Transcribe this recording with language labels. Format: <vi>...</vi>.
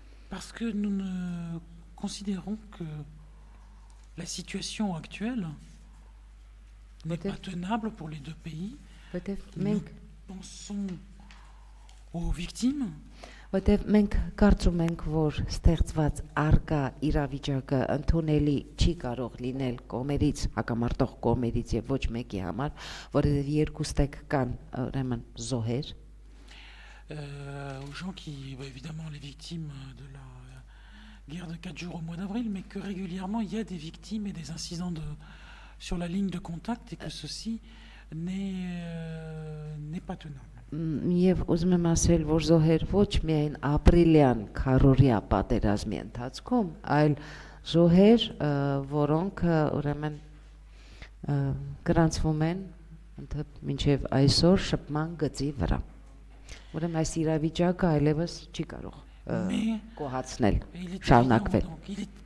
<fr>Parce que nous ne considérons que la situation actuelle n'est pas tenable pour les deux pays. Nous pensons aux victimes.</fr> <hy>Որտեվ մենք կարծում ենք, որ ստեղծված արգա իրավիճակը ընդունելի չի կարող լինել կոմերից, հակամարտող կոմերից եւ ոչ մեկի համար, որովհետեւ երկուստեք կան, ուրեմն, զոհեր։</hy> <fr>Aux gens qui évidemment les victimes de la guerre de 4 jours au mois d'avril, mais que régulièrement il y a des victimes et des incidents de sur la ligne de contact et que ceci n'est pas tenable.</fr> <hy>Եվ ուզում եմ ասել, որ զոհեր ոչ միայն ապրիլյան քարորիա պատերազմի ընթացքում, այլ զոհեր, որոնք ուրեմն գրանցվում են մինչև այսօր շփման գծի վրա, ուրեմն այս իրավիճակը այլևս չի կարող կոհացնել, շարունակվել։</hy>